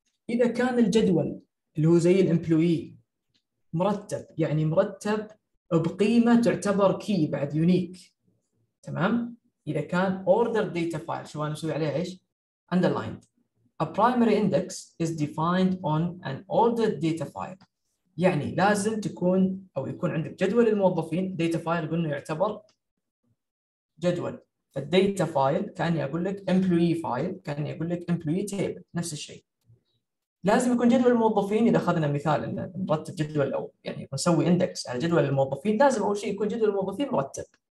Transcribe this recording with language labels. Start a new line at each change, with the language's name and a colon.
Arabic: اذا كان الجدول اللي هو زي الامبلوي مرتب، يعني مرتب بقيمه تعتبر كي بعد يونيك. تمام، اذا كان اوردر داتا فايل شو انا اسوي عليه ايش underlined.
English: A primary index is defined on an ordered data file.
Arabic: يعني لازم تكون أو يكون عندك جدول الموظفين. data file قلنا يعتبر جدول. فالdata file كأني أقول لك employee file، كأني أقول لك employee table، نفس الشيء. لازم يكون جدول الموظفين، إذا أخذنا مثال أن نرتب جدول أو يعني نسوي index على جدول الموظفين، لازم أول شيء يكون جدول الموظفين مرتب.